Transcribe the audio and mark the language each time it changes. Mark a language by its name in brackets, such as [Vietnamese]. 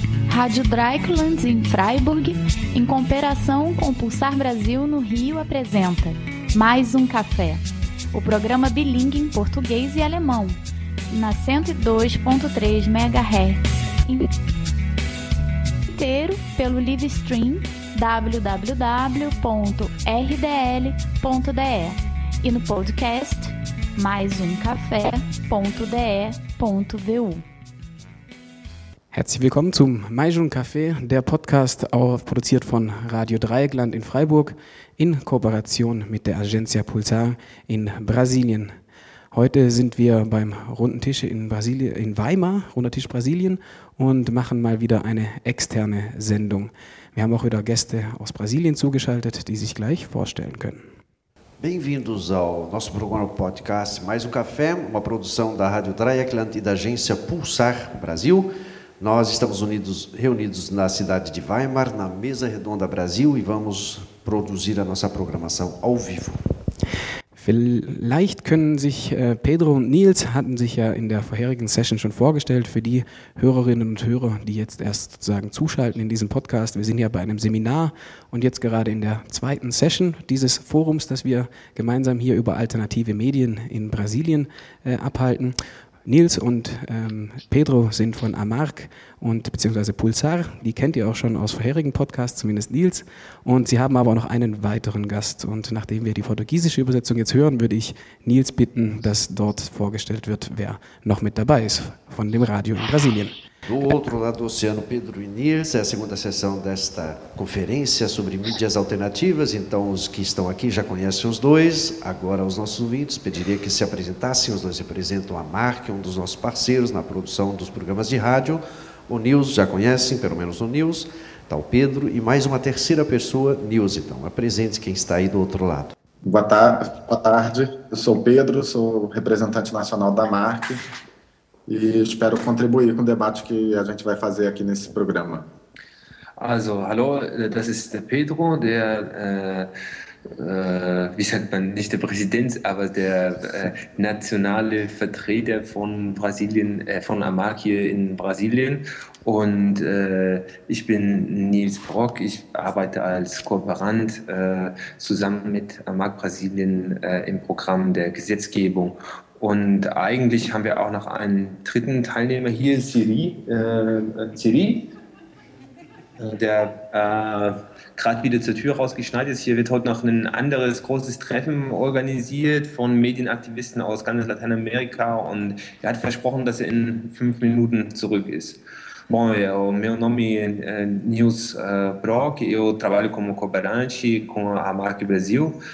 [Portuguese] Rádio Dreieckland em Freiburg, em cooperação com o Pulsar Brasil no Rio, apresenta Mais um Café, o programa bilíngue em português e alemão, na 102.3 MHz, inteiro pelo live stream www.rdl.de e no podcast maisumcafé.de.vu. [German] Herzlich willkommen zum Maisum Café, der Podcast, produziert von Radio Dreieckland in Freiburg in Kooperation mit der Agência Pulsar in Brasilien. Heute sind wir beim Runden Tisch in Weimar, Runder Tisch Brasilien, und machen mal wieder eine externe Sendung. Wir haben auch wieder Gäste aus Brasilien zugeschaltet, die sich gleich vorstellen können. [Portuguese] Bem-vindos ao nosso programa Podcast Maisum Café, uma produção da Radio Dreieckland e da Agência Pulsar Brasil. Nós estamos reunidos na cidade de Weimar, na Mesa Redonda Brasil, e vamos produzir a nossa programação ao vivo. [German] Vielleicht können sich Pedro und Nils hatten sich ja in der vorherigen Session schon vorgestellt. Für die Hörerinnen und Hörer, die jetzt erst sozusagen zuschalten in diesem Podcast, wir sind ja bei einem Seminar und jetzt gerade in der zweiten Session dieses Forums, das wir gemeinsam hier über alternative Medien in Brasilien abhalten. Nils und Pedro sind von Amarc und beziehungsweise Pulsar, die kennt ihr auch schon aus vorherigen Podcasts, zumindest Nils. Und sie haben aber auch noch einen weiteren Gast. Und nachdem wir die portugiesische Übersetzung jetzt hören, würde ich Nils bitten, dass dort vorgestellt wird, wer noch mit dabei ist von dem Radio in Brasilien. [Portuguese] Do outro lado do oceano, Pedro e Nils, é a segunda sessão desta conferência sobre mídias alternativas, então os que estão aqui já conhecem os dois, agora os nossos ouvintes, pediria que se apresentassem, os dois representam a Amarc, um dos nossos parceiros na produção dos programas de rádio, o Nils já conhecem, pelo menos o Nils, tá o Pedro, e mais uma terceira pessoa, Nils, então, apresente quem está aí do outro lado. Boa tarde, eu sou o Pedro, sou representante nacional da Amarc, e espero contribuir com o debate que a gente vai fazer aqui nesse programa. [German] Also, hallo, das ist Pedro, der wie sagt man, nicht der Präsident, aber der nationale Vertreter von Brasilien, von Amarc hier in Brasilien. Und ich bin Nils Brock, ich arbeite als Kooperant zusammen mit Amarc Brasilien im Programm der Gesetzgebung. Und eigentlich haben wir auch noch einen dritten Teilnehmer hier, Siri, der gerade wieder zur Tür rausgeschneit ist. Hier wird heute noch ein anderes großes Treffen organisiert von Medienaktivisten aus ganz Lateinamerika. Und er hat versprochen, dass er in 5 Minuten zurück ist. [Portuguese] Bom, meu nome é Nils Brock, eu trabalho como cooperante com a Amarc Brasil.